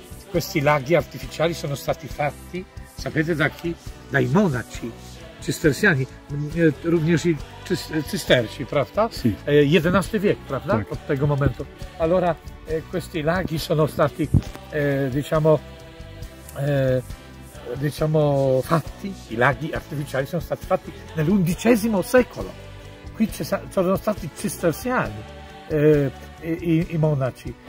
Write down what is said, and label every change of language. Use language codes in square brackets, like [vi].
[it] Questi laghi artificiali sono stati fatti, sapete da chi? Dai monaci. [pl] Cystersjani, również i cysterci, prawda? [it] Sì. [pl] XI wiek, prawda? Tak. Od tego momentu. [it] Allora, questi laghi sono stati, fatti, i laghi artificiali sono stati fatti nell'undicesimo secolo. Qui c'erano stati cistersiani, i monaci.